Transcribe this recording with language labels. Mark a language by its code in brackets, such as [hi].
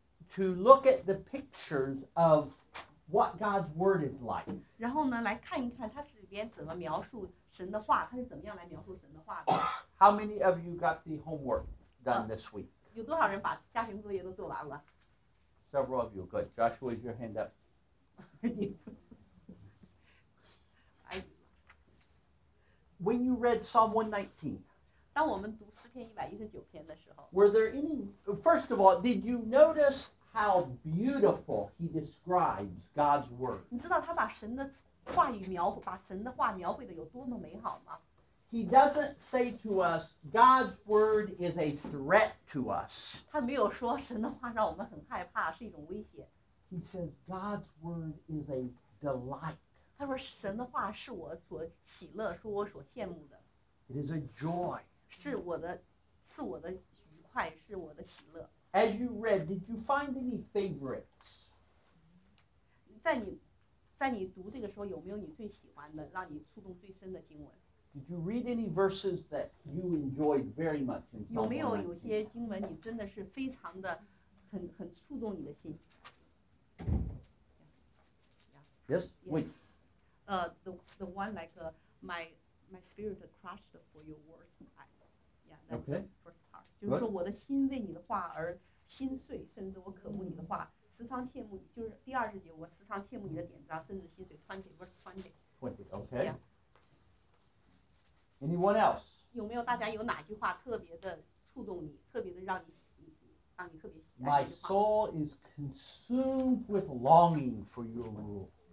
[en] To look at the pictures of what God's word is like. [zh] 然后呢，来看一看它里边怎么描述神的话，它是怎么样来描述神的话的。 [en] How many of you got the homework done this week? [zh] 有多少人把家庭作业都做完了？ [en] Several of you, good. Joshua, is your hand up? When you read Psalm 119, [zh] 当我们读诗篇一百一十九篇的时候 [en] were there any, first of all, did you notice how beautiful he describes God's word? [zh] 你知道他把神的话语描把神的话描绘的有多么美好吗？ [en] He doesn't say to us, God's word is a threat to us. [zh] 他没有说神的话让我们很害怕，是一种威胁。 [en] He says, God's word is a delight. [zh] 他说神的话是我所喜乐是我所羡慕的 [en] It is a joy [zh] 是我的愉快是我的喜乐 [en] As you read, did you find any favorites? [zh] 在你读这个时候有没有你最喜欢的让你触动最深的经文 [en] Did you read any verses that you enjoyed very much? [zh] 有没有有些经文你真的是非常的很触动你的心 [en] Yes, wait the one like my spirit crushed for your words, yeah, that's、 okay. the first part. [zh] 就是说我的心为你的话而心碎，甚至我渴慕你的话，时常切慕你。就是第二十节，我时常切慕你的典章，甚至心碎。 [en] Verse 20. Okay. Yeah. Anyone else? [zh] 有没有大家有哪句话特别的触动你，特别的让你特别喜爱？ [en] My soul is consumed with longing for your rule.